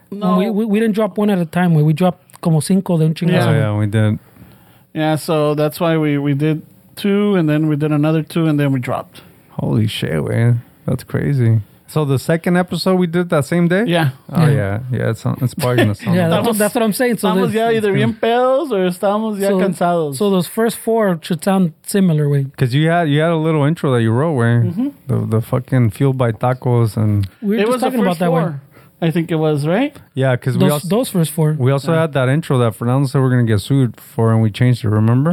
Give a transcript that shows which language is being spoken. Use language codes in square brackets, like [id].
[en] No, we didn't drop one at a time. We dropped [es] como cinco de un chingazo. [en] Yeah, we did. Yeah, so that's why we did two, and then we did another two, and then we dropped. Holy shit, man. That's crazy. So the second episode we did that same day? Yeah. Oh, yeah. Yeah, it's probably going to sound. Yeah, that's what I'm saying. [es] So estamos ya either bien pedos or estamos ya cansados. [en] So those first four should sound similar, way. Because you had a little intro that you wrote, way. Mm-hmm. The fucking Fueled by Tacos. And we were just talking about that one. I think it was, right? Yeah, because those first four. We also had that intro that Fernando said we're going to get sued for, and we changed it, remember?